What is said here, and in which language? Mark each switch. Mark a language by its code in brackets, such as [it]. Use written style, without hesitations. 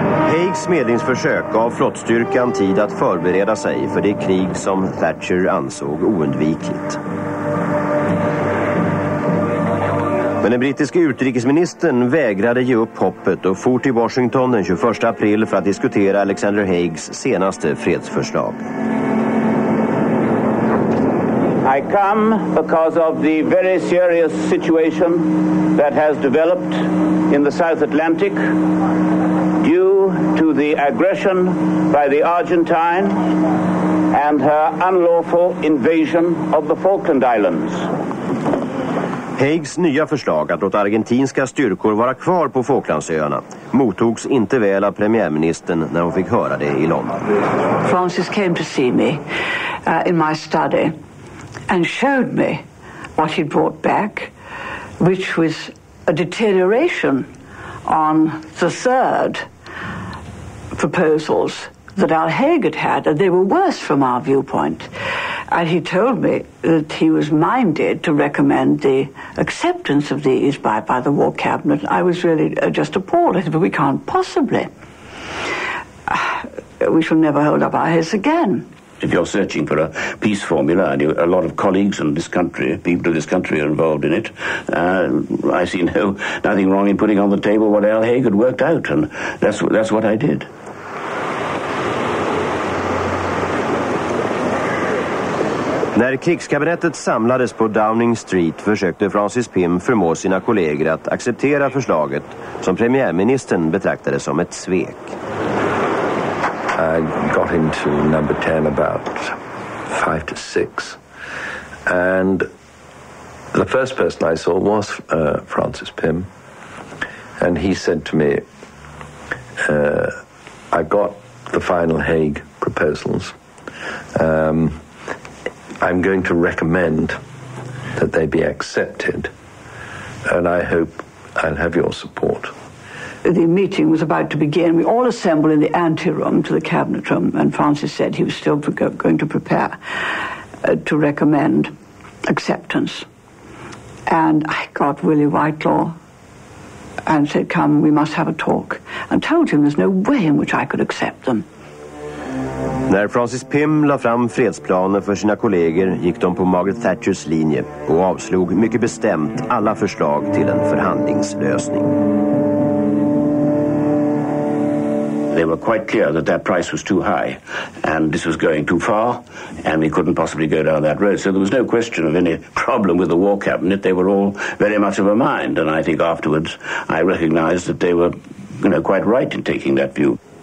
[sv] Haigs medlingsförsök gav flottstyrkan tid att förbereda sig för det krig som Thatcher ansåg oundvikligt. Men den brittiska utrikesministern vägrade ge upp hoppet och for till Washington den 21 april för att diskutera Alexander Haigs senaste fredsförslag. [en] I come because of the very serious situation that has developed in the South Atlantic due to the aggression by the Argentine and her unlawful invasion of the Falkland Islands. [sv] Haigs nya förslag att låta argentinska styrkor vara kvar på Falklandsöarna mottogs inte väl av premiärministern när hon fick höra det i London. [en] Francis came to see me in my study and showed me what he'd brought back, which was a deterioration on the third proposals that Al Haig had had, and they were worse from our viewpoint. And he told me that he was minded to recommend the acceptance of these by the War Cabinet. I was really just appalled. I said, but we can't possibly. We shall never hold up our heads again. If you're searching for a peace formula, and a lot of colleagues in this country, people of this country are involved in it, I see nothing wrong in putting on the table what Al Haig had worked out, and that's what I did. [sv] När krigskabinettet samlades på Downing Street försökte Francis Pym förmå sina kollegor att acceptera förslaget som premiärministern betraktade som ett svek. [en] I got into number 10 about 5 to 6 and the first person I saw was Francis Pym and he said to me I got the final Hague proposals I'm going to recommend that they be accepted, and I hope I'll have your support. The meeting was about to begin. We all assembled in the anteroom to the cabinet room, and Francis said he was still going to prepare to recommend acceptance. And I got Willie Whitelaw and said, come, we must have a talk, and told him there's no way in which I could accept them. [sv] När Francis Pym la fram fredsplanen för sina kollegor gick de på Margaret Thatchers linje och avslog mycket bestämt alla förslag till en förhandlingslösning. [en] They were quite clear that their price was too high and this was going too far and we couldn't possibly go down that road. So there was no question of any problem with the war cabinet. They were all very much of a mind and I think afterwards I recognized that they were, you know, quite right in taking that view.